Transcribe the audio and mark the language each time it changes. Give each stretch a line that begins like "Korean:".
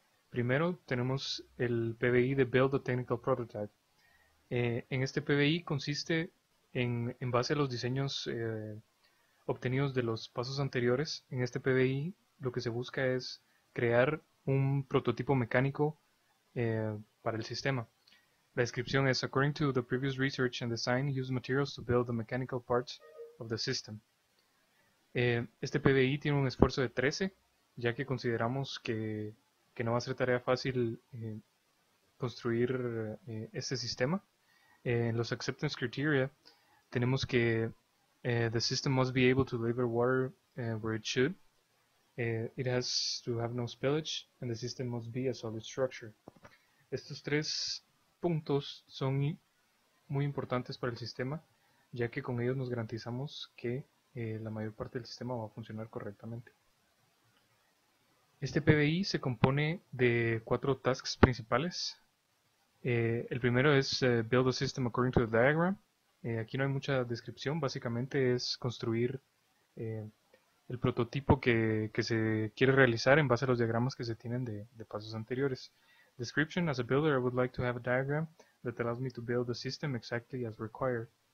Spanish: Primero tenemos el PBI de Build a Technical Prototype. En este PBI consiste en base a los diseños obtenidos de los pasos anteriores, en este PBI lo que se busca es crear un prototipo mecánico para el sistema. La descripción es:
English: according to the previous research and design, use materials to build the mechanical parts of the system.
Spanish: Este PBI tiene un esfuerzo de 13, ya que consideramos que no va a ser tarea fácil construir este sistema. En los acceptance criteria tenemos que
English: the system must be able to deliver water where it should. It has to have no spillage, and the system must be a solid structure.
Spanish: Estos tres puntos son muy importantes para el sistema, ya que con ellos nos garantizamos que la mayor parte del sistema va a funcionar correctamente. Este PBI se compone de 4 tasks principales. El primero es Build a System According to the Diagram. Aquí no hay mucha descripción, básicamente es construir el prototipo que se quiere realizar en base a los diagramas que se tienen de pasos anteriores.
English: Description: As a builder, I would like to have a diagram that allows me to build the system exactly as required.